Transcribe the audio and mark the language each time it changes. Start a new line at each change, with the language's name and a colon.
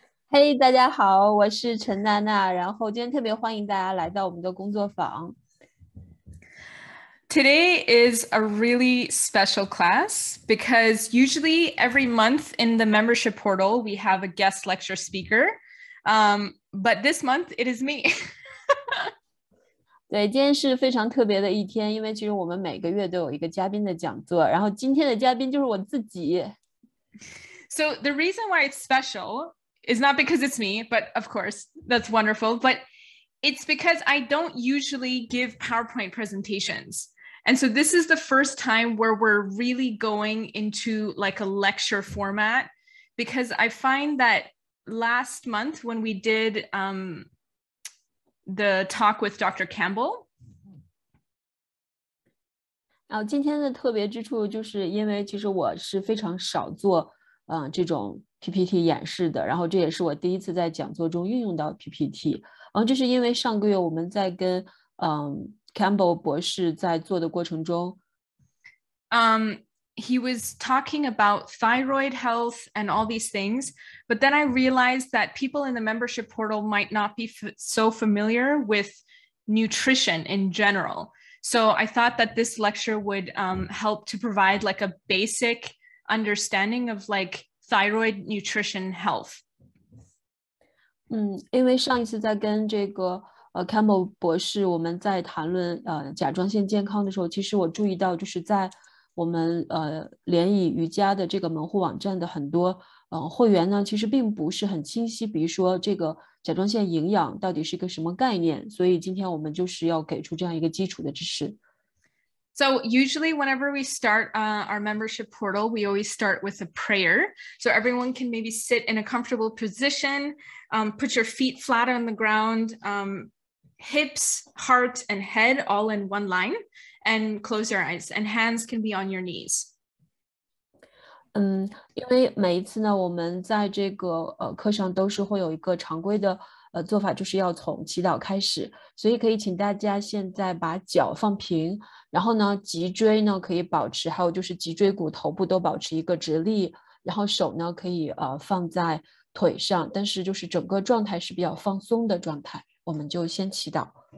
Chinese: Hey, 大家好，我是陈娜娜，然后今天特别欢迎大家来到我们的工作坊。
English: Today is a really special class because usually every month in the membership portal, we have a guest lecture speaker. But this month, it is me.
Chinese: 对，今天是非常特别的一天，因为其实我们每个月都有一个嘉宾的讲座，然后今天的嘉宾就是我自己。
English: So the reason why it's special is not because it's me, but of course, that's wonderful. But it's because I don't usually give PowerPoint presentations. And so this is the first time where we're really going into like a lecture format, because I find that last month when we did the talk with Dr. Campbell.
Chinese: 然后今天的特别之处就是因为其实我是非常少做这种 PPT 演示的，然后这也是我第一次在讲座中运用到 PPT。然后这是因为上个月我们在跟Campbell 博士在做的过程中
English: he was talking about thyroid health and all these things, but then I realized that people in the membership portal might not be so familiar with nutrition in general. So I thought that this lecture would help to provide like a basic understanding of like thyroid nutrition health.
Chinese: 因为上一次在跟这个Campbell 博士我们在谈论甲状腺健康的时候，其实我注意到就是在我们联谊瑜伽的这个门户网站的很多会员呢，其实并不是很清晰，比如说这个甲状腺营养到底是一个什么概念，所以今天我们就是要给出这样一个基础的知识。
English: So usually whenever we start our membership portal, we always start with a prayer. So everyone can maybe sit in a comfortable position, put your feet flat on the ground, hips, heart, and head all in one line, and close your eyes, and hands can be on your knees.
Chinese: 因为每一次呢，我们在这个课上都是会有一个常规的做法，就是要从祈祷开始，所以可以请大家现在把脚放平，然后呢，脊椎呢可以保持，还有就是脊椎骨头部都保持一个直立，然后手呢可以放在腿上，但是就是整个状态是比较放松的状态，我们就先祈祷。